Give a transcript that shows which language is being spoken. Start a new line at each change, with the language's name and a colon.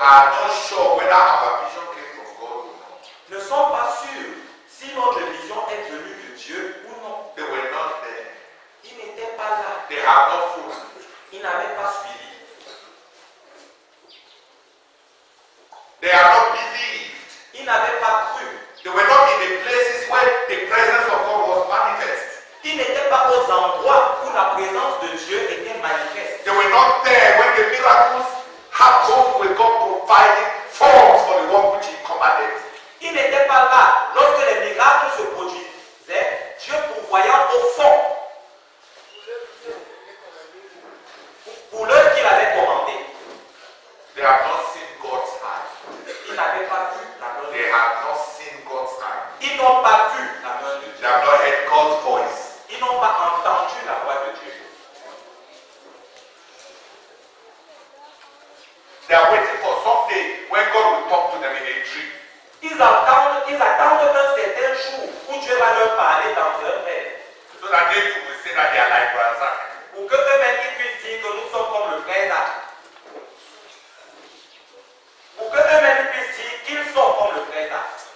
English: Are not sure whether our vision came from God or not.
French: Ne sont pas sûrs si notre vision est venue de Dieu ou non.
English: They were not there.
French: Ils n'étaient pas là.
English: They had not followed.
French: Ils n'avaient pas suivi.
English: They had not believed.
French: Ils n'avaient pas cru.
English: They were not in the places where the presence of God was manifest.
French: Ils n'étaient pas aux endroits où la présence de Dieu était manifeste.
English: They were not there when the miracles happened when God provided forms for the one which he commanded.
French: Ils n'étaient pas là lorsque les miracles se produisaient, Dieu pourvoyant au fond. Pour l'heure qu'il avait commandé.
English: They had not seen God's hand.
French: Ils n'avaient pas vu la gloire.
English: They had not seen God's hand.
French: Ils n'ont pas vu la main de Dieu.
English: They have not heard God's voice.
French: Ils n'ont pas entendu la voix de Dieu.
English: They are waiting for something when God will talk to them in a dream.
French: Ils attendent un certain jour où Dieu va leur parler dans un rêve.
English: So that they will say that they are like brothers.
French: Pour que eux-mêmes ils puissent dire que nous sommes comme le frère là. Pour que eux-mêmes puissent dire qu'ils sont comme le frère là.